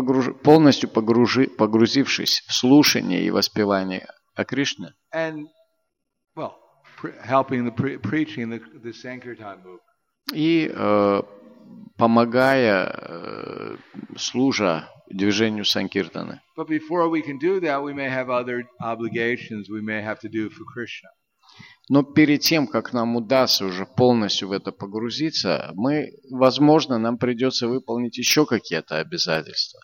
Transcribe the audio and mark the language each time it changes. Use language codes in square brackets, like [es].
[ru] И полностью погрузившись в слушание и воспевание о Кришне. [en] And well, preaching the Sankirtan movement. [ru] И помогая, служа движению Санкиртаны. [en] But before we can do that, we may have other obligations we may have to do for Krishna. [ru] Но перед тем, как нам удастся уже полностью в это погрузиться, мы, возможно, нам придется выполнить еще какие-то обязательства.